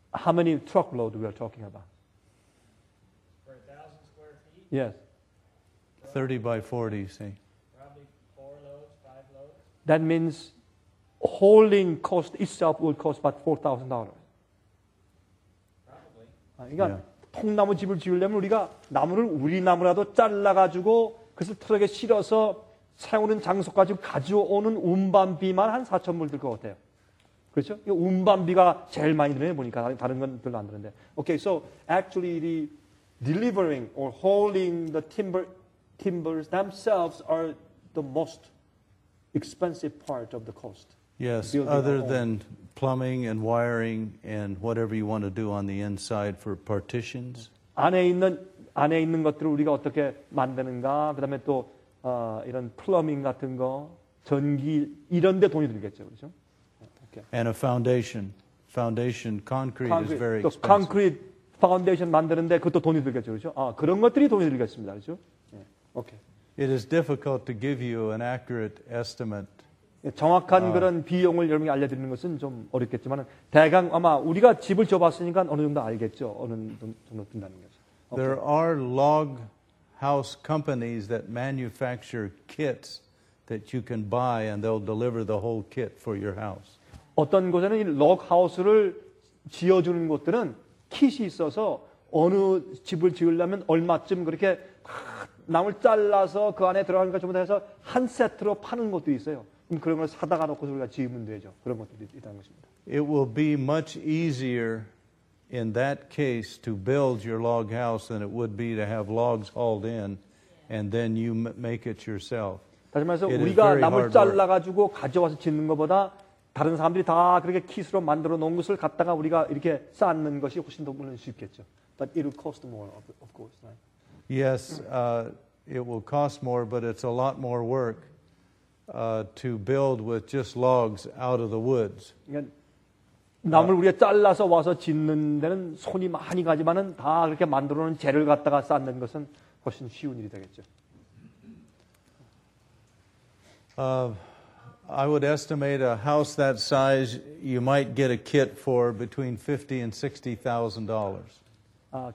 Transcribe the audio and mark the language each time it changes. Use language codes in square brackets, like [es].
[en] How many truckload we are talking about? For 1,000 square feet? Yes. 30 by 40, see. Probably four loads, five loads. That means hauling cost itself will cost about $4,000. Probably. [ko] 그러니까 yeah. 통나무 집을 지으려면 우리가 나무를 우리 나무라도 잘라 가지고 그것을 트럭에 실어서 세우는 장소까지 가져오는 운반비만 한 4천 불 들 것 같아요. 그렇죠? 이 운반비가 제일 많이 드네요. 보니까 다른 건 별로 안 드는데. [en] Okay, so actually the delivering or hauling the timbers themselves are the most expensive part of the cost. Yes, other than plumbing and wiring and whatever you want to do on the inside for partitions. [ko] 안에 있는 것들을 우리가 어떻게 만드는가, 그다음에 또 이런 플러밍 같은 거, 전기 이런 데 돈이 들겠죠. 그렇죠? [en] Okay. And a foundation concrete, concrete is very expensive. Concrete foundation [ko] 만드는데 그것도 돈이 들겠죠. 그렇죠? 아, 그런 것들이 돈이 들겠습니다. 그렇죠? 예. Okay. [en] It is difficult to give you an accurate estimate. [ko] 정확한 그런 비용을 여러분이 알려드리는 것은 좀 어렵겠지만 대강 아마 우리가 집을 지어봤으니까 어느 정도 알겠죠. 어느 정도 든다는 거죠. [en] Okay. There are log house companies that manufacture kits that you can buy and they'll deliver the whole kit for your house. [ko] 어떤 곳에는 이 log house를 지어주는 곳들은 킷이 있어서 어느 집을 지으려면 얼마쯤 그렇게 나물 잘라서 그 안에 들어가는 것 전부 다 해서 한 세트로 파는 곳도 있어요. 그런 걸 사다가 놓고 우리가 지으면 되죠. 그런 것들이 있다는 것입니다. [en] It will be much easier in that case to build your log house than it would be to have logs hauled in and then you make it yourself. [ko] 다시 말해서 it 우리가 나물 잘라가지고 가져와서 짓는 것보다 다른 사람들이 다 그렇게 킷으로 만들어 놓은 것을 갖다가 우리가 이렇게 쌓는 것이 훨씬 더 물론 쉽겠죠. [en] But it will cost more, of course. Right? Yes, it will cost more, but it's a lot more work. To build with just logs out of the woods. [ko] 나무를 우리가 잘라서 와서 짓는 데는 손이 많이 가지만은 다 그렇게 만들어놓은 재를 갖다가 쌓는 것은 훨씬 쉬운 일이 되겠죠. [en] I would estimate a house that size you might get a kit for between $50,000 and $60,000.